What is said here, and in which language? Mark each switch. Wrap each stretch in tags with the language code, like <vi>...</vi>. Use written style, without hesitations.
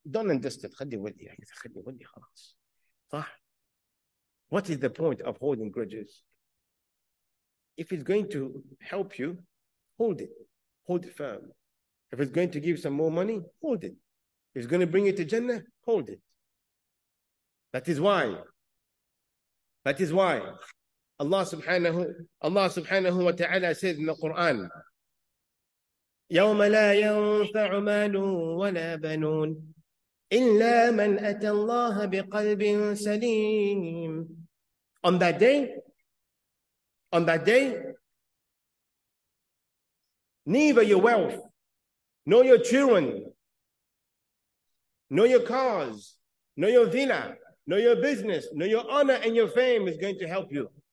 <en>Don't understand.</en> <ar>خلي ولي. خلي ولي. خلاص. صح.</ar> <en>What is the point of holding grudges? If it's going to help you, hold it. Hold it firm. If it's going to give some more money, hold it. If it's going to bring you to Jannah, hold it. That is why Allah subhanahu wa ta'ala says in the Quran,</en> <ar>يَوْمَ لَا يَنْفَعُ مَالٌ وَلَا بَنُونَ إِلَّا مَنْ أَتَى اللَّهَ بِقَلْبٍ سَلِيمٍ.</ar> <en>On that day, neither your wealth, nor your children, nor your cars, nor your villa, nor your business, nor your honor and your fame is going to help you.</en>